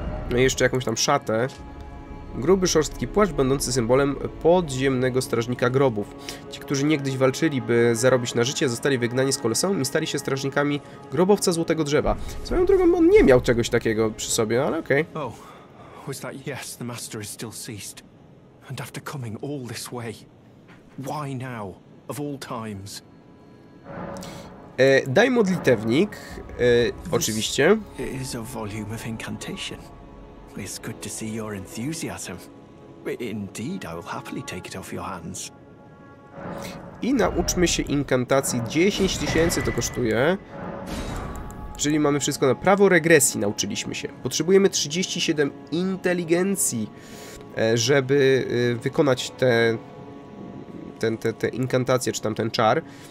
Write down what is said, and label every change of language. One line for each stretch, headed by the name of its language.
Polish: No i jeszcze jakąś tam szatę. Gruby, szorstki płaszcz będący symbolem podziemnego strażnika grobów. Ci, którzy niegdyś walczyli, by zarobić na życie, zostali wygnani z Koloseum i stali się strażnikami grobowca Złotego Drzewa. Swoją drogą, on nie miał czegoś takiego przy sobie, ale okej.
English: Okay. Oh. Was that yes, the master is still seized. And after coming all this way. Why now, of all times?
Polish: Daj modlitewnik, oczywiście.
English: It is a volume of incantation. It's good to see your enthusiasm. Indeed, I will happily take it off your hands.
Polish: I nauczmy się inkantacji. 10 tysięcy to kosztuje. Czyli mamy wszystko na prawo regresji, nauczyliśmy się. Potrzebujemy 37 inteligencji, żeby wykonać te inkantacje, czy tamten czar.